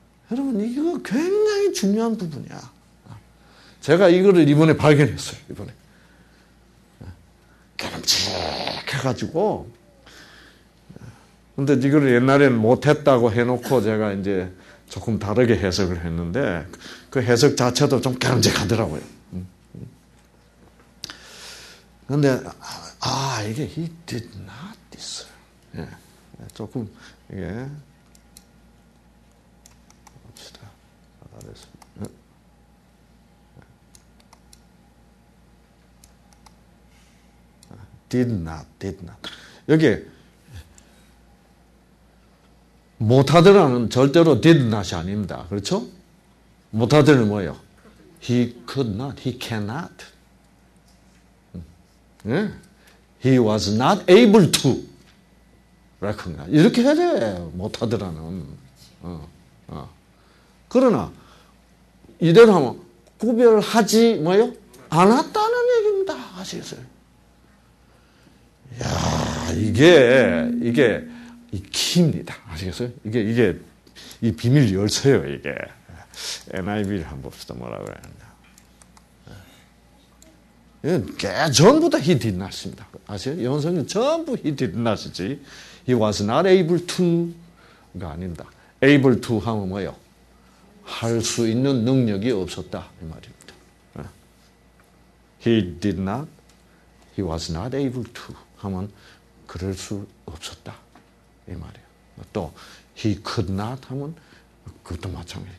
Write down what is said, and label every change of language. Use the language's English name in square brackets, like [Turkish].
[Korean] 여러분 이거 굉장히 중요한 부분이야. 제가 이거를 이번에 발견했어요. 이번에. 깨름칙 해가지고 근데 이거를 옛날엔 못했다고 해놓고 제가 이제 조금 다르게 해석을 했는데 그 해석 자체도 좀 깨름칙하더라고요. 근데 아 이게 [English] he did not this. [Korean] 예. 조금 이게 [English] did not, did not. [Korean] 여기 못하더라는 절대로 [English] did not [Korean] 이 아닙니다. 그렇죠? 못하더라는 뭐예요? [English] He could not, he cannot. [Korean] 예? [English] He was not able to recognize. [Korean] 이렇게 해야 돼. 못하더라는. 그러나 이대로 하면 구별하지 뭐예요? 않았다는 얘기입니다. 아시겠어요? 야, 이게 키입니다. 아시겠어요? 이게 이 비밀 열쇠예요, 이게. NIV를 한번 봅시다. 뭐라 그래야 하냐. 이게 전부 다 [English] he did not [Korean] 입니다. 아세요? 영성이 전부 [English] he did not [Korean] 이지. [English] He was not able to가 [Korean] 아닙니다. [English] able to [Korean] 하면 뭐예요? 할 수 있는 능력이 없었다. 이 말입니다. [English] He did not. He was not able to. [Korean] 하면 그럴 수 없었다. 이 말이에요. 또 [English] he could not [Korean] 하면 그것도 마찬가지.